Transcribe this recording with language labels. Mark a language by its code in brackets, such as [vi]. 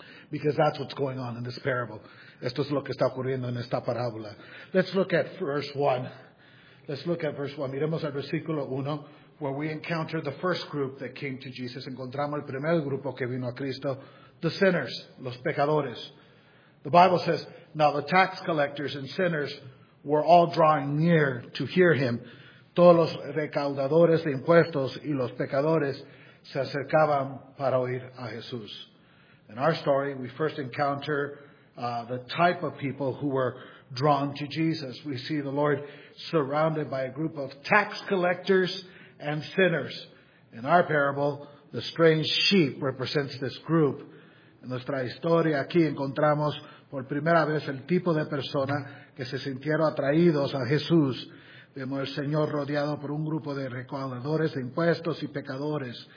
[en] Because that's what's going on in this parable. [es] Esto es lo que está ocurriendo en esta parábola. [en] Let's look at verse 1. [es] Miremos al versículo 1, [en] where we encounter the first group that came to Jesus. [es] Encontramos el primer grupo que vino a Cristo, [en] the sinners, [es] los pecadores. [en] The Bible says, now the tax collectors and sinners were all drawing near to hear him. [es] Todos los recaudadores de impuestos y los pecadores se acercaban para oír a Jesús. [en] In our story, we first encounter the type of people who were drawn to Jesus. We see the Lord surrounded by a group of tax collectors and sinners. In our parable, the strange sheep represents this group. [es] En nuestra historia, aquí encontramos por primera vez el tipo de persona que se sintieron atraídos a Jesús. Vemos al Señor rodeado por un grupo de recaudadores de impuestos y pecadores.